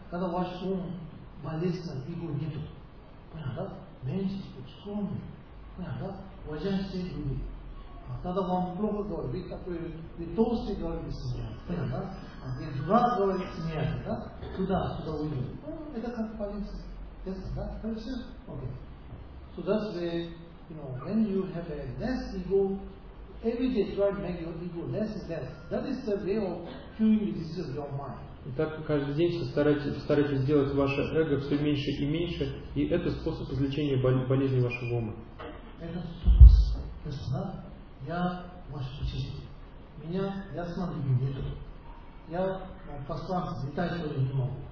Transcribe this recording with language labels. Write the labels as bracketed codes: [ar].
[ru] Когда ваш ум болезнен, его нету. Понял, да? Меньше, скромный. Понял, да? Уважаем все люди. А тогда вам плохо говорить, вы такой, вы толстый говорите, вы смеяете. Понял, да? А вы дурак говорите, смеяете, да? Туда, туда уйдет. Это как полиция. [en] Yes, that's polite. Okay. So that's the, you know, when you have a less ego, every day try to make your ego less and less. That is the way of curing the disease of your mind. [ru] Итак, каждый день старайтесь сделать ваше эго все меньше и меньше, и это способ излечения болезни вашего ума. Это способ. [en] Yes, that. [ru] Я ваш учитель. Меня я смотрю нет. Я пространство летать тоже не могу.